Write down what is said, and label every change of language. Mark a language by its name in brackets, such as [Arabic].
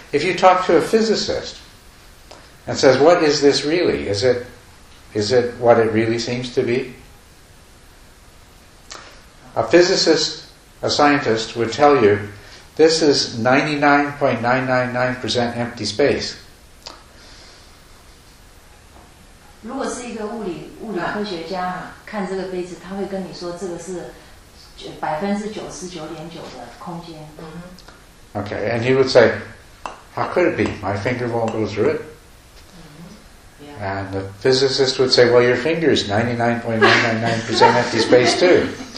[English] If you talk to a physicist and says, what is this really? Is it what it really seems to be? A scientist would tell you, this is 99.999% empty space. [Chinese] 如果是一个物理科学家啊，看这个杯子，他会跟你说这个是99.9%的空间。 Mm-hmm. [English] Okay, and he would say, "How could it be? My finger won't go through it." And the physicist would say, "Well, your finger is 99.999% empty space too."